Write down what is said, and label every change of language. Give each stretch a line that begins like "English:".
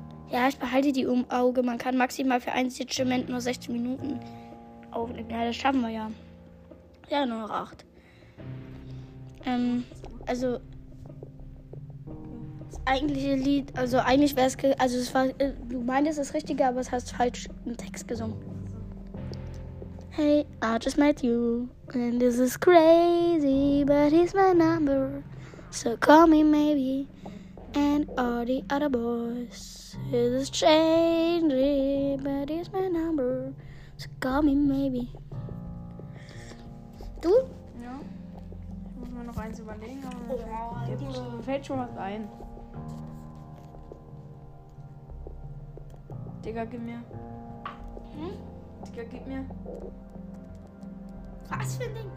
German: Ja, ich behalte die im Auge. Man kann maximal für ein Instrument nur 16 Minuten aufnehmen. Ja, das schaffen wir ja. Ja, nur noch 8. Also... Das eigentliche Lied, also eigentlich wäre es, also es war, du meintest das Richtige, aber es hast falsch im Text gesungen.
English: Hey, I just met you, and this is crazy, but he's my number, so call me maybe, and all the other boys, this is changing, but he's my number, so call me maybe.
German: Du? Ja, ich muss mir noch eins überlegen, aber jetzt fällt schon was ein. Digga, gib mir. Digga, gib mir. Was für ein Ding?